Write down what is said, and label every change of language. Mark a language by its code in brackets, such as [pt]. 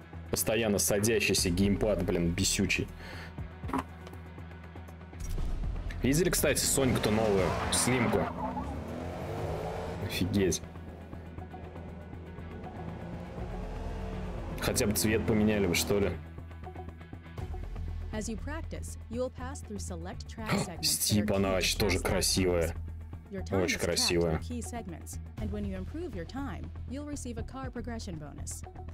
[ru] Постоянно садящийся геймпад, блин, бесючий. Видели, кстати, Соньку-то новую? Слимку. Офигеть. Хотя бы цвет поменяли бы, что ли. [en] As you practice, you will pass through select track segments. [ru] Стип, она вообще тоже красивая. Очень красивая. [en] Key segments, and when you improve your time, you'll receive a car progression bonus.